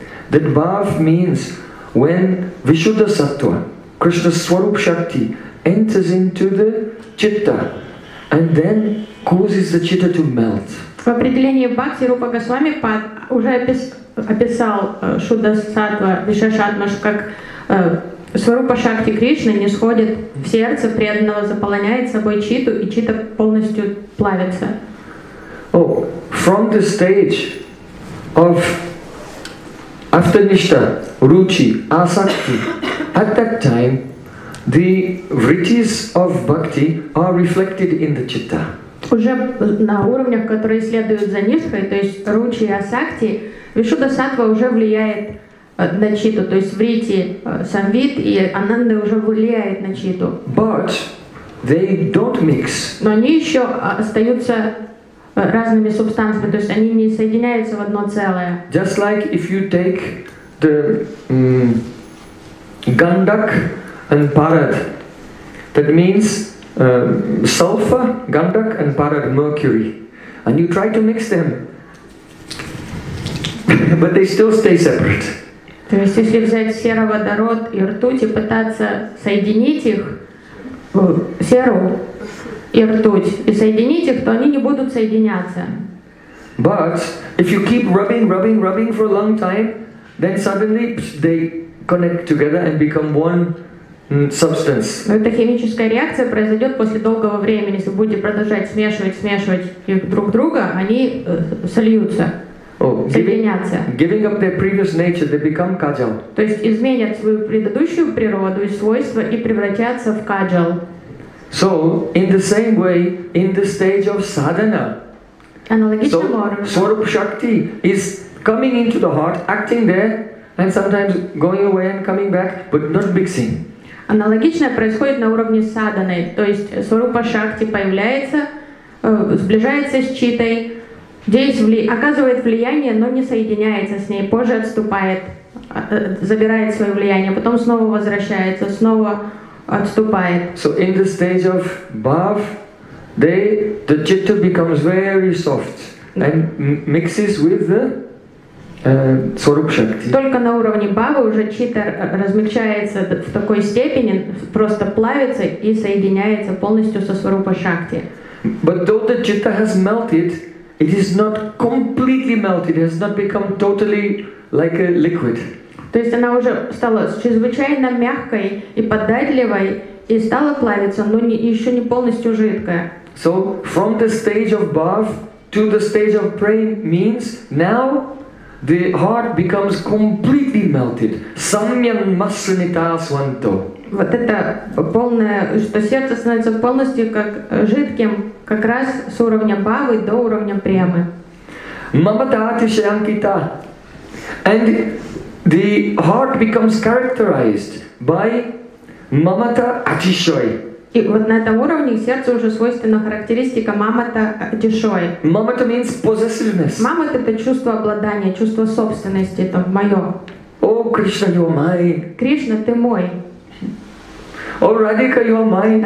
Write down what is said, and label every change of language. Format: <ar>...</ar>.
<en>That bhav means when Vishuddha Sattva, Krishna Swarup Shakti, enters into the chitta and then causes the chitta to melt.</en> <ru>В определении Бхакти Рупа Госвами Пад уже описал Шудда Сатва Вишешатмаш как Сварупа Шакти Кришны нисходит в сердце преданного, заполняет собой читу, и чита полностью плавится.</ru> <en>Oh, from the stage of Aftanishta, Ruchi, Asakti, at that time, the vrittis of bhakti are reflected in the chitta.</en> <ru>Уже на уровнях, которые следуют за нишкой, то есть Ruchi, Asakti, Вишудда Сатва уже влияет на читу, то есть вритти, самвит и ананда уже влияет на читу.</ru> <en>But they don't mix.</en> <ru>Но они еще остаются разными субстанциями, то есть они не соединяются в одно целое.</ru> <en>Just like if you take the gandak and parad, that means sulfur, gandak and parad, mercury, and you try to mix them, but they still stay separate.</en> <ru>То есть если взять сероводород и ртуть и пытаться соединить их, серу и ртуть, и соединить их, то они не будут соединяться.</ru> <en>But if you keep rubbing, rubbing, rubbing for a long time, then suddenly they connect together and become one substance.</en> <ru>Эта химическая реакция произойдет после долгого времени. Если будете продолжать смешивать, смешивать их друг друга, они сольются, соединятся.</ru> <en>Giving up their previous nature, they become kajal.</en> <ru>То есть изменят свою предыдущую природу и свойства и превратятся в kajal.</ru> <en>So, in the same way, in the stage of sadhana, Swarup Shakti is coming into the heart, acting there, and sometimes going away and coming back, but not mixing.</en> <ru>Аналогично происходит на уровне садханы, то есть Сварупа Шакти появляется, сближается с читой, здесь оказывает влияние, но не соединяется с ней, позже отступает, забирает свое влияние, потом снова возвращается, снова отступает.</ru> <en>So in the stage of bhav, the chitta becomes very soft and mixes with the Сваруп Шакти.</en> <ru>Только на уровне бхавы уже читта размягчается в такой степени, просто плавится и соединяется полностью со Сварупа Шакти.</ru> <en>But though the chitta has melted, it is not completely melted, it has not become totally like a liquid.</en> <ru>То есть она уже стала чрезвычайно мягкой и податливой и стала плавиться, но еще не полностью жидкая.</ru> <en>So from the stage of bhav to the stage of praying means now the heart becomes completely melted.</en> <sa>Samyam masanita swanto.</sa> <ru>Вот это полное, что сердце становится полностью как жидким, как раз с уровня бхавы до уровня премы.</ru> <sa>Mamatati shankita.</sa> <en>And the heart becomes characterized by mamata atishoy.</en> <ru>И вот на этом уровне сердцу уже свойственна характеристика мамата дешой.</ru> <en>Мамата means possessiveness.</en> <ru>Мамата — это чувство обладания, чувство собственности, это мое.</ru> <en>О, Кришна, you are mine.</en> <ru>Кришна, ты мой.</ru> <en>О, Радика, you are mine.</en>